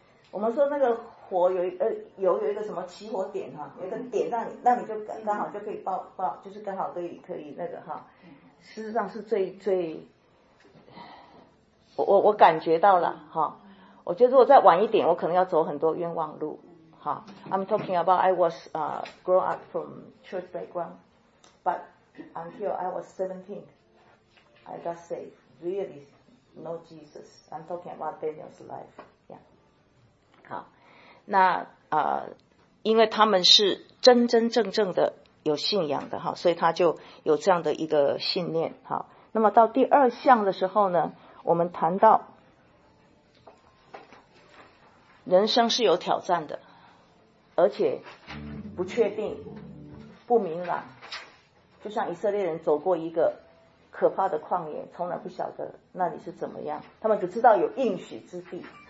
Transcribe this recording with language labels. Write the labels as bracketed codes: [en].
[zh] 我们说那个火有一个什么起火点哈，有一个点让你就刚好就可以爆，就是刚好可以那个哈，事实上是最我感觉到了哈，我觉得如果再晚一点，我可能要走很多冤枉路哈。 [en] I'm talking about I was grown up from church background, but until I was 17, I got saved. Really, no Jesus. I'm talking about Daniel's life. [zh] 那因为他们是真真正正的有信仰的哈，所以他就有这样的一个信念。好，那么到第二项的时候呢，我们谈到人生是有挑战的，而且不确定不明朗，就像以色列人走过一个可怕的旷野，从来不晓得那里是怎么样，他们只知道有应许之地。